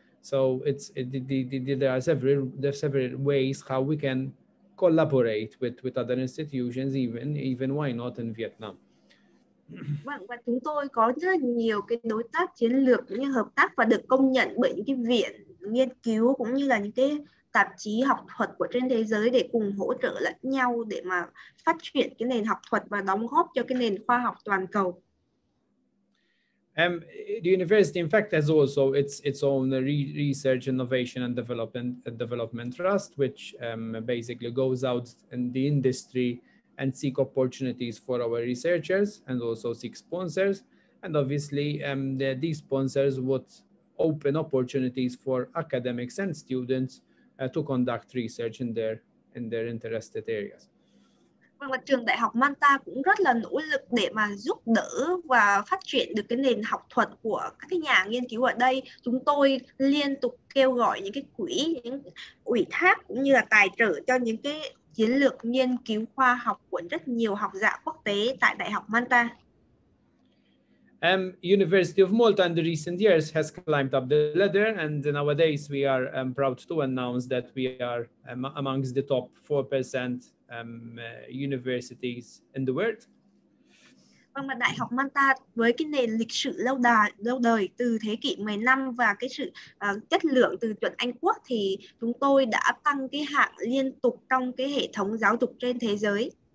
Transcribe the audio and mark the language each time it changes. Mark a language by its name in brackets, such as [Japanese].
[English] So there are several ways how we can collaborate with other institutions, even why not in Vietnam. [Vietnamese] Và chúng tôi có rất là nhiều cái đối tác chiến lược cũng như hợp tác và được công nhận bởi những cái viện nghiên cứu cũng như là những cái tạp chí học thuật của trên thế giới để cùng hỗ trợ lẫn nhau để mà phát triển cái nền học thuật và đóng góp cho cái nền khoa học toàn cầu. [English] The university, in fact, has also its own research, innovation, and development trust, which basically goes out in the industry and seek opportunities for our researchers and also seek sponsors. And obviously, these sponsors would open opportunities for academics and students to conduct research in their interested areas. [Vietnamese] Và trường Đại học Malta cũng rất là nỗ lực để mà giúp đỡ và phát triển được cái nền học thuật của các cái nhà nghiên cứu ở đây. Chúng tôi liên tục kêu gọi những cái quỹ, những ủy thác cũng như là tài trợ cho những cái chiến lược nghiên cứu khoa học của rất nhiều học giả quốc tế tại Đại học Malta. [English] University of Malta in the recent years has climbed up the ladder, and nowadays we are proud to announce that we are amongst the top 4% universities in the world. [Vietnamese] Vâng, Đại học Malta với cái nền lịch sử lâu đời từ thế kỷ 15 và cái sự chất lượng từ chuẩn Anh Quốc thì chúng tôi đã tăng cái hạng liên tục trong cái hệ thống giáo dục trên thế giới.